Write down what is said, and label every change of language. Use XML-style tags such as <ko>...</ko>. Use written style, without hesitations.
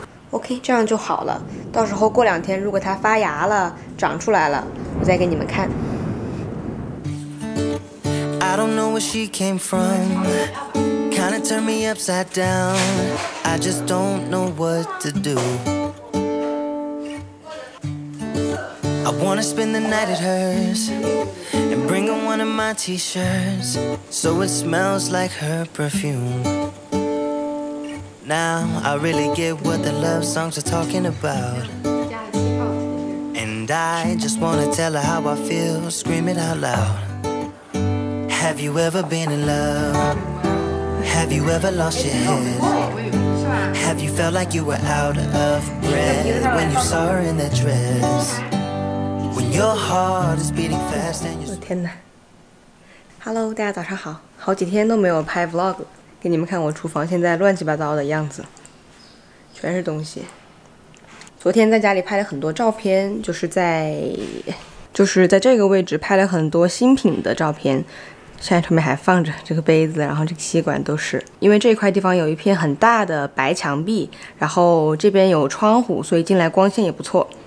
<zh>OK， 这样就好了。到时候过两天，如果它发芽了，长出来了，我再给你们看。</zh> <en>I don't know where she came from, kinda turned me upside down. I just don't know what to do. I wanna spend the night at hers and bring her one of my T-shirts so it smells like her perfume. Now I really get what the love songs are talking about. And I just wanna tell her how I feel, scream it out loud. Have you ever been in love? Have you ever lost your head? Have you felt like you were out of breath when you saw her in that dress? When your heart is beating fast and you're...</en> <zh>天哪。Hello, 大家早上好。好几天都没有拍 vlog 了。给你们看我厨房现在乱七八糟的样子，全是东西。昨天在家里拍了很多照片，就是在这个位置拍了很多新品的照片。现在上面还放着这个杯子，然后这个吸管都是。因为这块地方有一片很大的白墙壁，然后这边有窗户，所以进来光线也不错。</zh>